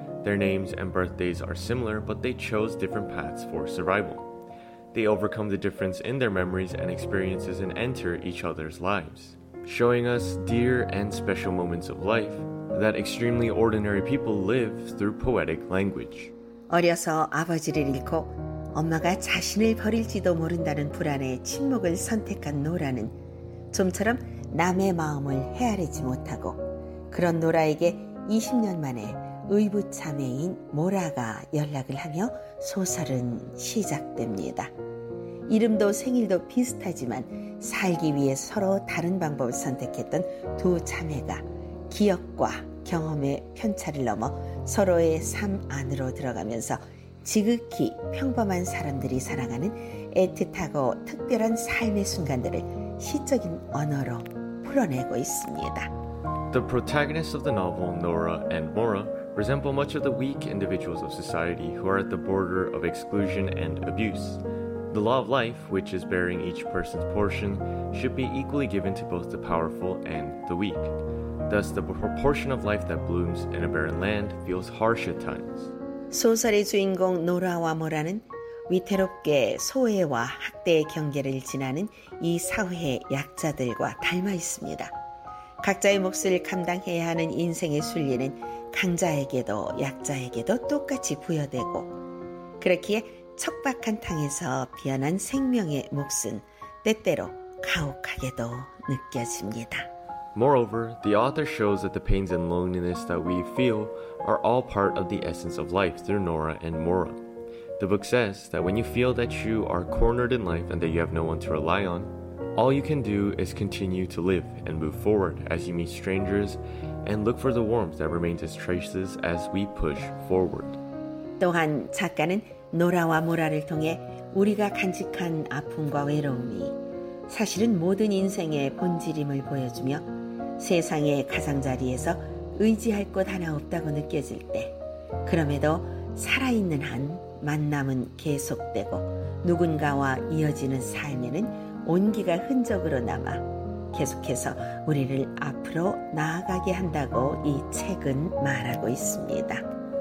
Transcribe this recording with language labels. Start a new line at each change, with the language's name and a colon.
English: Their names and birthdays are similar, but they chose different paths for survival. They overcome the difference in their memories and experiences and enter each other's lives, showing us dear and special moments of life that extremely ordinary people live through poetic language.
Korean: 어려서 아버지를 잃고 엄마가 자신을 버릴지도 모른다는 불안에 침묵을 선택한 노라는 좀처럼 남의 마음을 헤아리지 못하고 그런 노라에게 20년 만에 의부 자매인 모라가 연락을 하며 소설은 시작됩니다. 이름도 생일도 비슷하지만 살기 위해 서로 다른 방법을 선택했던 두 자매가 기억과 경험의 편차를 넘어 서로의 삶 안으로 들어가면서 지극히 평범한 사람들이 살아가는 애틋하고 특별한 삶의 순간들을 시적인 언어로 풀어내고 있습니다.
English: The protagonists of the novel, Nora and Mora, resemble much of the weak individuals of society who are at the border of exclusion and abuse. The law of life, which is bearing each person's portion, should be equally given to both the powerful and the weak. Thus, the proportion of life that blooms in a barren land feels harsh at times.
Korean: 소설의 주인공 노라와 모라는 위태롭게 소외와 학대의 경계를 지나는 이 사회의 약자들과 닮아 있습니다. 각자의 몫을 감당해야 하는 인생의 순리는 강자에게도 약자에게도 똑같이 부여되고 그렇기에 척박한 탕에서 피어난 생명의 몫은 때때로 가혹하게도 느껴집니다.
English: Moreover, the author shows that the pains and loneliness that we feel are all part of the essence of life through Nora and Mora. The book says that when you feel that you are cornered in life and that you have no one to rely on, all you can do is continue to live and move forward as you meet strangers and look for the warmth that remains as traces as we push forward.
Korean: 또한 작가는 노라와 모라를 통해 우리가 간직한 아픔과 외로움이 사실은 모든 인생의 본질임을 보여주며 세상의 가장자리에서 의지할 곳 하나 없다고 느껴질 때 그럼에도 살아있는 한 만남은 계속되고 누군가와 이어지는 삶에는 온기가 흔적으로 남아 계속해서 우리를 앞으로 나아가게 한다고 이 책은 말하고 있습니다.